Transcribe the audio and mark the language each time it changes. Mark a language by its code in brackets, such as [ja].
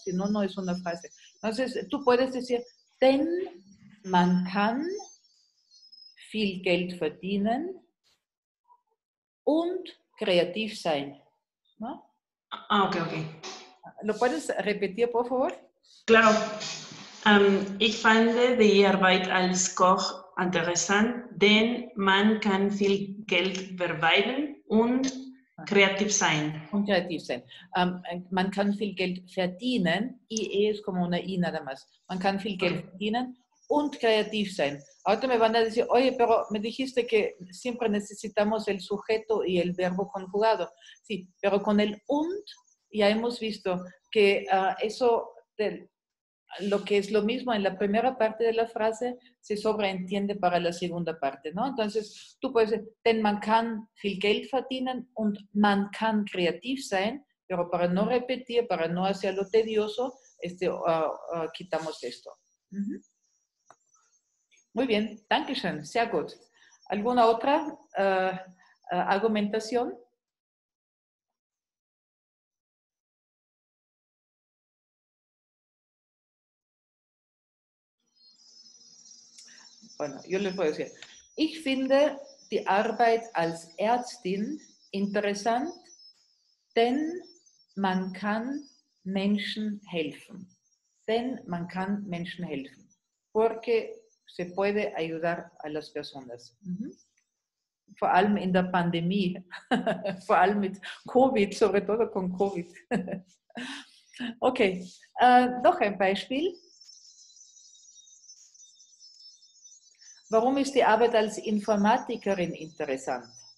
[es] Si no, no es una frase. Entonces, tú puedes decir, denn man kann viel Geld verdienen und kreativ sein, ¿no? Ah, ok. ¿Lo puedes repetir, por favor? Claro. [de] Ich fand die Arbeit als Koch interessant, denn man kann viel Geld verweilen und kreativ sein. Und kreativ sein. Man kann viel Geld verdienen, IE ist [es] como una I nada más. [de] Man kann viel Geld verdienen und kreativ sein. [es] Ahorita me van a decir, oye, pero me dijiste que siempre necesitamos el sujeto y el verbo conjugado. Sí, pero con el und ya hemos visto que eso, lo que es lo mismo en la primera parte de la frase, se sobreentiende para la segunda parte, ¿no? Entonces, tú puedes decir, [de] denn man kann viel Geld verdienen und man kann kreativ sein, [es] pero para no repetir, para no hacerlo tedioso, quitamos esto. Uh-huh. Muy bien, [de] Dankeschön, sehr gut. [es] ¿Alguna otra argumentación? Bueno, yo les voy a decir. [de] Ich finde die Arbeit als Ärztin interessant, denn man kann Menschen helfen. Denn man kann Menschen helfen. [es] Porque se puede ayudar a las personas. Mm-hmm. [de] Vor allem in der Pandemie. Vor allem mit Covid, [es] sobre todo con Covid. [de] Okay, noch ein Beispiel. Warum ist die Arbeit als Informatikerin interessant?